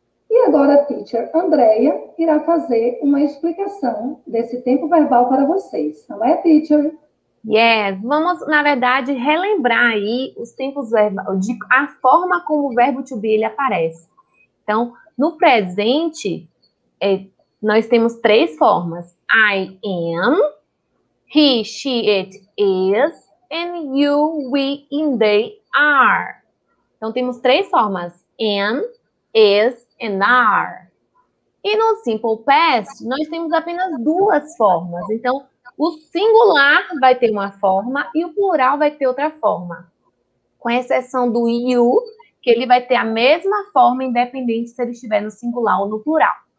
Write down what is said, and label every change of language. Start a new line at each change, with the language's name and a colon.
Portuguese: E agora a teacher Andrea irá fazer uma explicação desse tempo verbal para vocês. Não é, teacher? Yes, vamos, na verdade, relembrar aí os tempos verbais, a forma como o verbo to be ele aparece. Então, no presente, nós temos três formas.
English: I am, he, she, it, is, and you, we, and they, are.
Portuguese: Então, temos três formas. Am, is, and are. E no simple past, nós temos apenas duas formas. Então, o singular vai ter uma forma e o plural vai ter outra forma. Com exceção do you, que ele vai ter a mesma forma, independente se ele estiver no singular ou no plural.